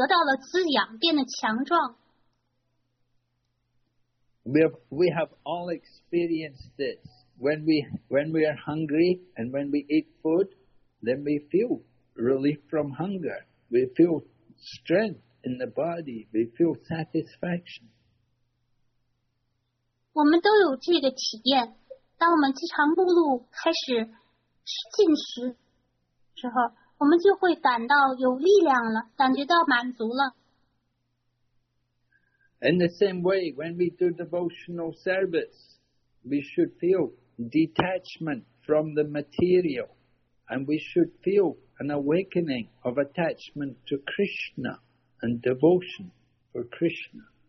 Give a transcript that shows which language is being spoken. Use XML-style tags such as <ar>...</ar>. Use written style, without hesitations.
<zh>他会感到满足，他会感到躯体得到了滋养，变得强壮。</zh> <en>We have all experienced this. When we are hungry and when we eat food, then we feel relief from hunger. We feel strength in the body. We feel satisfaction.</en> <zh>我们都有这个体验，当我们饥肠辘辘开始进食。</zh> <en>In the same way, when we do devotional service, we should feel detachment from the material and we should feel an awakening of attachment to Krishna and devotion for Krishna.</en>